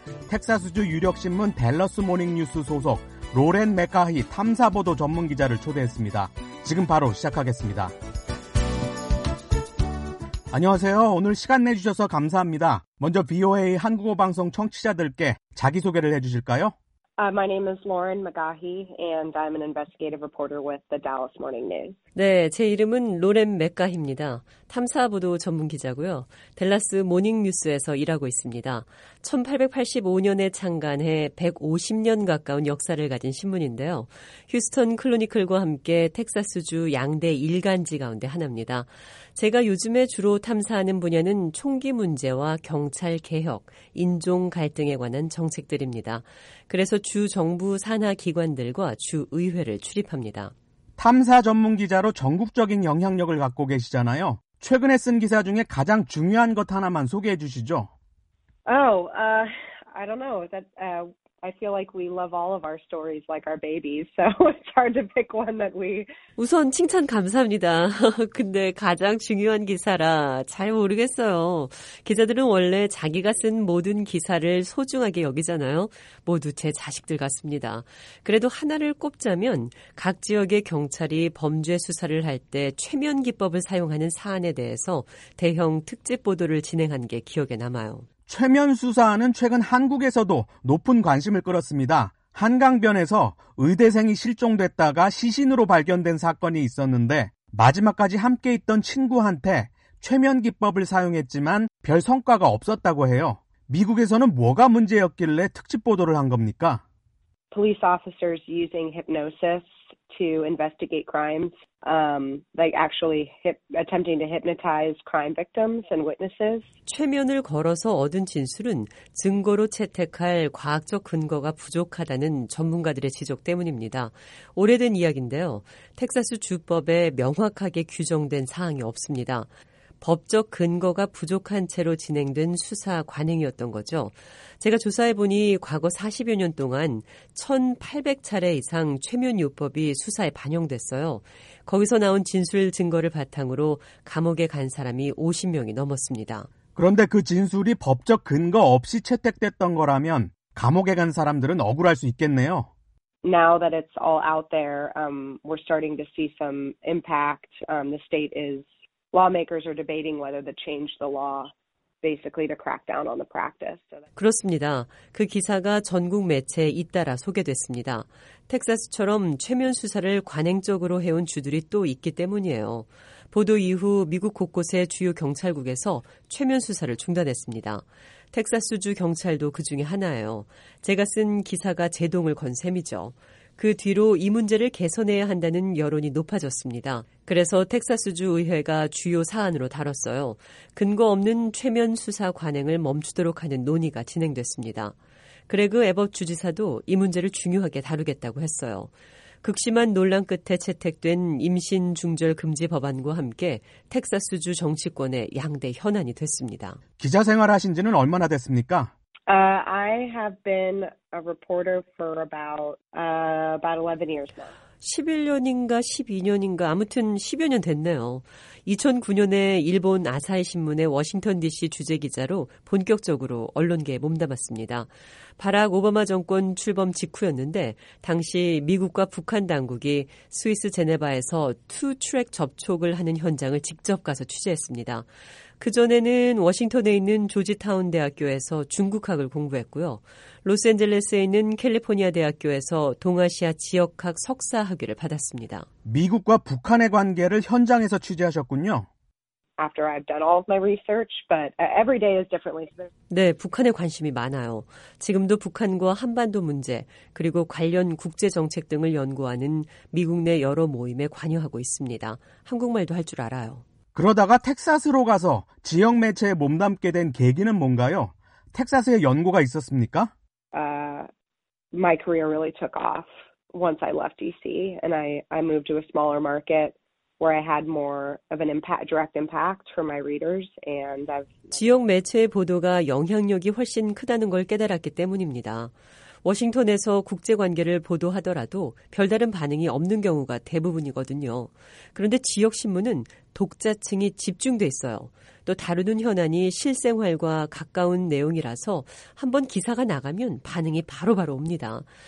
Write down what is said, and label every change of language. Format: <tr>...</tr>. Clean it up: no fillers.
<ko>텍사스주 유력신문 댈러스 모닝뉴스 소속 로렌 맥카히 탐사보도 전문기자를 초대했습니다. 지금 바로 시작하겠습니다. 안녕하세요. 오늘 시간 내주셔서 감사합니다. 먼저 VOA 한국어 방송 청취자들께 자기소개를 해주실까요?</ko> <en>My name is Lauren McGahey and I'm an investigative reporter with the Dallas Morning News.</en> <ko>네, 제 이름은 로렌 맥가히입니다. 탐사보도 전문기자고요. 댈러스 모닝뉴스에서 일하고 있습니다. 1885년에 창간해 150년 가까운 역사를 가진 신문인데요. 휴스턴 클로니클과 함께 텍사스주 양대 일간지 가운데 하나입니다. 제가 요즘에 주로 탐사하는 분야는 총기 문제와 경찰 개혁, 인종 갈등에 관한 정책들입니다. 그래서 주 정부 산하 기관들과 주 의회를 출입합니다. 탐사 전문 기자로 전국적인 영향력을 갖고 계시잖아요. 최근에 쓴 기사 중에 가장 중요한 것 하나만 소개해 주시죠.</ko> <en>I don't know. I feel like we love all of our stories like our babies. So it's hard to pick one that we</en> <ko>우선 칭찬 감사합니다. 근데 가장 중요한 기사라 잘 모르겠어요. 기자들은 원래 자기가 쓴 모든 기사를 소중하게 여기잖아요. 모두 제 자식들 같습니다. 그래도 하나를 꼽자면 각 지역의 경찰이 범죄 수사를 할 때 최면 기법을 사용하는 사안에 대해서 대형 특집 보도를 진행한 게 기억에 남아요. 최면 수사는 최근 한국에서도 높은 관심을 끌었습니다. 한강변에서 의대생이 실종됐다가 시신으로 발견된 사건이 있었는데 마지막까지 함께 있던 친구한테 최면 기법을 사용했지만 별 성과가 없었다고 해요. 미국에서는 뭐가 문제였길래 특집 보도를 한 겁니까?</ko> <en>Police officers using hypnosis to investigate crimes, like actually attempting to hypnotize crime victims and witnesses.</en> <ko>최면을 걸어서 얻은 진술은 증거로 채택할 과학적 근거가 부족하다는 전문가들의 지적 때문입니다. 오래된 이야기인데요. 텍사스 주법에 명확하게 규정된 사항이 없습니다. 법적 근거가 부족한 채로 진행된 수사 관행이었던 거죠. 제가 조사해보니 과거 40여 년 동안 1,800차례 이상 최면유법이 수사에 반영됐어요. 거기서 나온 진술 증거를 바탕으로 감옥에 간 사람이 50명이 넘었습니다. 그런데 그 진술이 법적 근거 없이 채택됐던 거라면 감옥에 간 사람들은 억울할 수 있겠네요.</ko> <en>Now that it's all out there, we're starting to see some impact. The state is lawmakers are debating whether to change the law, basically to crack down on the practice.</en> <ko>그렇습니다. 그 기사가 전국 매체에 잇따라 소개됐습니다. 텍사스처럼 최면 수사를 관행적으로 해온 주들이 또 있기 때문이에요. 보도 이후 미국 곳곳의 주요 경찰국에서 최면 수사를 중단했습니다. 텍사스주 경찰도 그 중에 하나예요. 제가 쓴 기사가 제동을 건 셈이죠. 그 뒤로 이 문제를 개선해야 한다는 여론이 높아졌습니다. 그래서 텍사스주 의회가 주요 사안으로 다뤘어요. 근거 없는 최면 수사 관행을 멈추도록 하는 논의가 진행됐습니다. 그레그 에버 주지사도 이 문제를 중요하게 다루겠다고 했어요. 극심한 논란 끝에 채택된 임신 중절 금지 법안과 함께 텍사스주 정치권의 양대 현안이 됐습니다. 기자 생활하신 지는 얼마나 됐습니까?</ko> <en>I have been a reporter for about 11 years now.</en> <ko>11년인가 12년인가 아무튼 10여 년 됐네요. 2009년에 일본 아사히 신문의 워싱턴 DC 주재 기자로 본격적으로 언론계에 몸담았습니다. 바락 오바마 정권 출범 직후였는데 당시 미국과 북한 당국이 스위스 제네바에서 투트랙 접촉을 하는 현장을 직접 가서 취재했습니다. 그전에는 워싱턴에 있는 조지타운 대학교에서 중국학을 공부했고요. 로스앤젤레스에 있는 캘리포니아 대학교에서 동아시아 지역학 석사 학위를 받았습니다. 미국과 북한의 관계를 현장에서 취재하셨군요.</ko> <en>After I've done all of my research, but every day is different.</en> <ko>네, 북한에 관심이 많아요. 지금도 북한과 한반도 문제, 그리고 관련 국제 정책 등을 연구하는 미국 내 여러 모임에 관여하고 있습니다. 한국말도 할 줄 알아요. 그러다가 텍사스로 가서 지역 매체에 몸담게 된 계기는 뭔가요? 텍사스에 연구가 있었습니까?</ko> <en>My career really took off once I left DC and I moved to a smaller market where I had more of an impact, direct impact for my readers and I've</en> <ko>지역 매체의 보도가 영향력이 훨씬 크다는 걸 깨달았기 때문입니다. 워싱턴에서 국제관계를 보도하더라도 별다른 반응이 없는 경우가 대부분이거든요. 그런데 지역신문은 독자층이 집중돼 있어요. 또 다루는 현안이 실생활과 가까운 내용이라서 한번 기사가 나가면 반응이 바로바로 옵니다.</ko>